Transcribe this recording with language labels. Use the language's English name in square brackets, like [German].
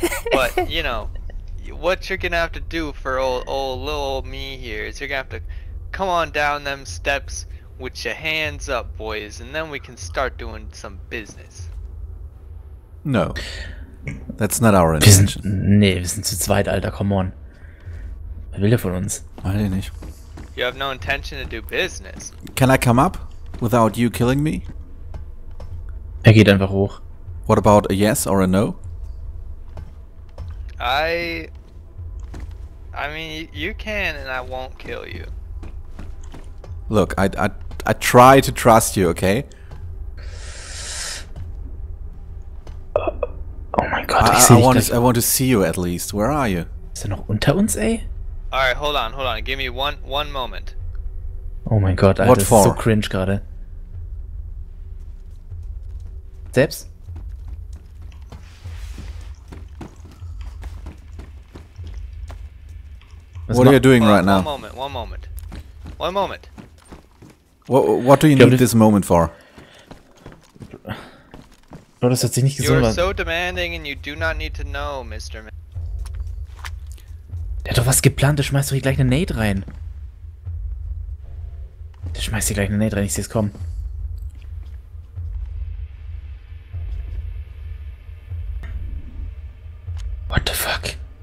[English] But, you know, what you're gonna have to do for old little old me here is you're gonna have to come on down them steps with your hands up, boys, and then we can start doing some business. No. That's not our intention. [German] Wir sind zu zweit, Alter, [English] come on. [German] Wer will der von uns? Weiß ich nicht. [English] You have no intention to do business. Can I come up without you killing me? [German] Er geht einfach hoch. [English] What about a yes or a no? I mean, you can and I won't kill you. Look, I try to trust you, okay? I want to see you at least. Where are you? [German] Ist er noch unter uns, ey? [English] Alright, hold on. Give me one moment. [German] Oh mein Gott, Alter, das ist so cringe gerade. Selbst? [English] What are you doing right now? One moment. What do you need this moment for? [German] Bro, das hat sich nicht gesund. [English] You are so demanding and you do not need to know, Mr. Man. [German] Der hat doch was geplant, der schmeißt doch hier gleich eine Nade rein. Der schmeißt hier gleich eine Nade rein, ich seh's kommen. [English] What the fuck?